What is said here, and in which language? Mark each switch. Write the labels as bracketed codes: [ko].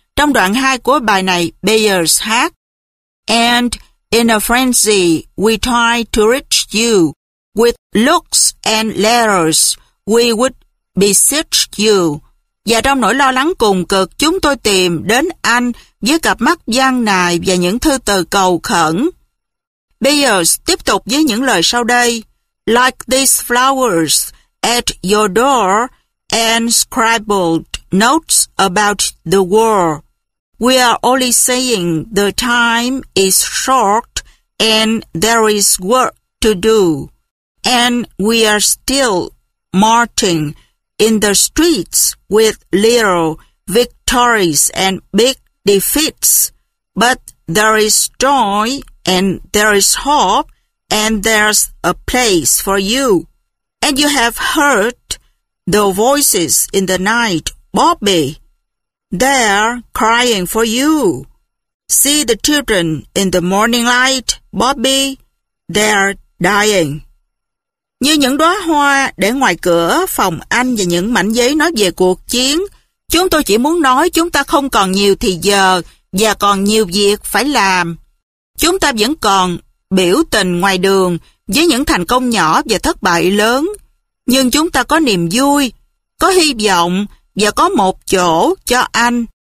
[vi] Trong đoạn 2 của bài này, Byers hát [en] And in a frenzy we tried to reach you with looks and letters we would beseech you. [vi] Và trong nỗi lo lắng cùng cực, chúng tôi tìm đến anh với cặp mắt gian nài và những thư từ cầu khẩn. Byers tiếp tục với những lời sau đây. [en] Like these flowers at your door and scribbled notes about the war. We are only saying the time is short and there is work to do. And we are still marching in the streets with little victories and big defeats. But there is joy and there is hope and there's a place for you. And you have heard the voices in the night, Bobby. They're crying for you. See the children in the morning light, Bobby. They're dying. [vi] Như những đóa hoa để ngoài cửa phòng anh và những mảnh giấy nói về cuộc chiến, chúng tôi chỉ muốn nói chúng ta không còn nhiều thì giờ và còn nhiều việc phải làm. Chúng ta vẫn còn biểu tình ngoài đường với những thành công nhỏ và thất bại lớn, nhưng chúng ta có niềm vui, có hy vọng và có một chỗ cho anh.